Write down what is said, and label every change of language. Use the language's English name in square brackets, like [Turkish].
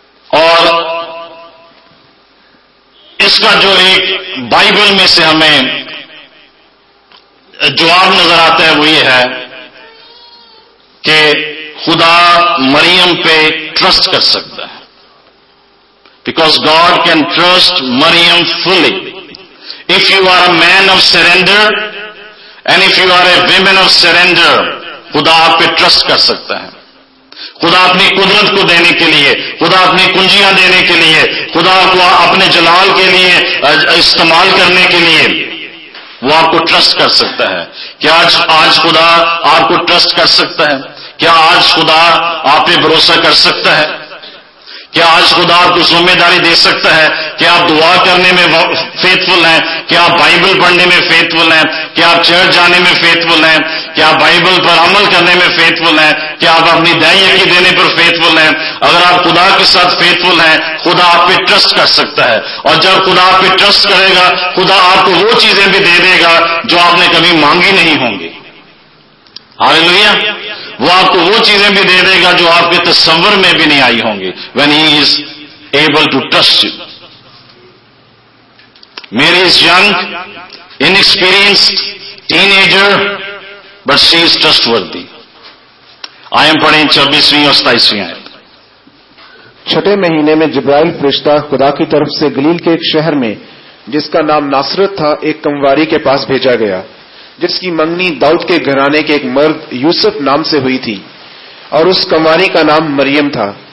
[Urdu] اور اس کا جو ایک بائبل میں سے ہمیں جواب نظر آتا ہے وہ یہ ہے کہ خدا مریم پہ ٹرسٹ کر سکتا ہے. [English] Because God can trust Maryam fully. If you are a man of surrender and if you are a woman of surrender, [Urdu] خدا آپ پہ ٹرسٹ کر سکتا ہے. خدا اپنی قدرت کو دینے کے لیے، خدا اپنی کنجیاں دینے کے لیے، خدا کو اپنے جلال کے لیے استعمال کرنے کے لیے وہ آپ کو ٹرسٹ کر سکتا ہے. کیا آج خدا آپ کو ٹرسٹ کر سکتا ہے؟ کیا آج خدا آپ پہ بھروسہ کر سکتا ہے؟ کیا آج خدا آپ کو ذمہ داری دے سکتا ہے؟ کیا آپ دعا کرنے میں فیتھفل ہیں؟ کیا آپ بائبل پڑھنے میں فیتھفل ہیں؟ کیا آپ چرچ جانے میں فیتھفل ہیں؟ کیا آپ بائبل پر عمل کرنے میں فیتھفل ہیں؟ کیا آپ اپنی دہائی کی دینے پر فیتھفل ہیں؟ اگر آپ خدا کے ساتھ فیتھفل ہیں خدا آپ پہ ٹرسٹ کر سکتا ہے. اور جب خدا آپ پہ ٹرسٹ کرے گا خدا آپ کو وہ چیزیں بھی دے دے گا جو آپ نے کبھی مانگی نہیں ہوں گی. Hallelujah. وہ آپ کو وہ چیزیں بھی دے دے گا جو آپ کے تصور میں بھی نہیں آئی ہوں گی. [English] When he is able to trust you. Mary is young, inexperienced, teenager, but she is trustworthy. [Urdu] آئے ہم پڑھیں 26 اور 27 آیت. چھٹے مہینے میں جبرائیل فرشتہ خدا کی طرف سے گلیل کے ایک شہر میں جس کا نام ناصرت تھا ایک کمواری کے پاس بھیجا گیا جس کی منگنی داؤد کے گھرانے کے ایک مرد یوسف نام سے ہوئی تھی اور اس کنواری کا نام مریم تھا.